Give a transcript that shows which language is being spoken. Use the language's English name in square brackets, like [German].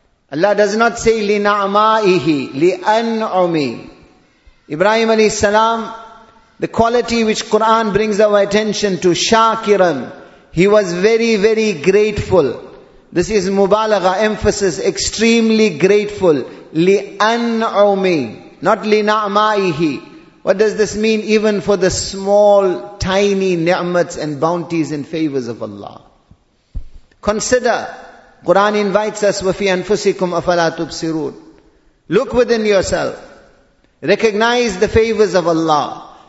[English] Allah does not say لِنَعْمَائِهِ لِأَنْعُمِ. Ibrahim alayhi salam, the quality which Quran brings our attention to, شَاكِرًا, he was very, very grateful. This is mubalagha, emphasis, extremely grateful. لِأَنْعُمِ, not لِنَعْمَائِهِ. What does this mean? Even for the small, tiny ni'mats and bounties and favors of Allah. Consider, Quran invites us, [Arabic] وَفِي أَنفُسِكُمْ أَفَلَا تُبْصِرُونَ. [English] Look within yourself. Recognize the favors of Allah.